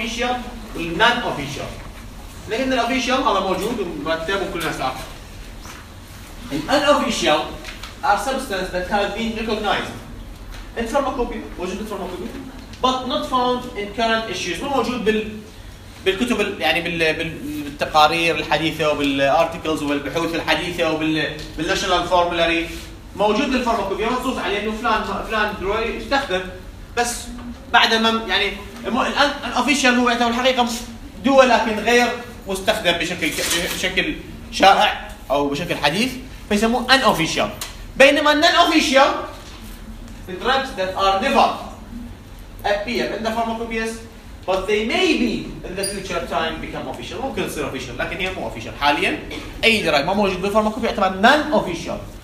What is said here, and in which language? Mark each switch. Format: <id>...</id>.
<ar>صلاحيات مختلفة. غالباً الناس طلابي يتربطون بين الصلاحيات. Unofficial والnon official. لكن الofficial هذا موجود ومرتب وكل الناس عارف.</ar> <en>Unofficial are substances that have been recognized in pharmacopoeia.</en> <ar>موجود في pharmacopoeia.</ar> <en>But not found in current issues.</en> <ar>مو موجود بالكتب يعني بالتقارير الحديثة وبالarticles وبالبحوث الحديثة وبالnational formulary. موجود بالفارماكوبيا منصوص عليه انه فلان دروي استخدم بس بعد ما يعني الاوفيشال هو يعتبر الحقيقه دواء لكن غير مستخدم بشكل شائع او بشكل حديث فيسموه ان اوفيشال.</ar> <en>بينما النون official the drugs that are never appear in the pharmacopoeias but they may be in the future time become official.</en> <ar>ممكن يصير اوفيشال لكن هي مو اوفيشال حاليا. اي دراج ما موجود بالفارماكوبيا يعتبر نون اوفيشال.</ar>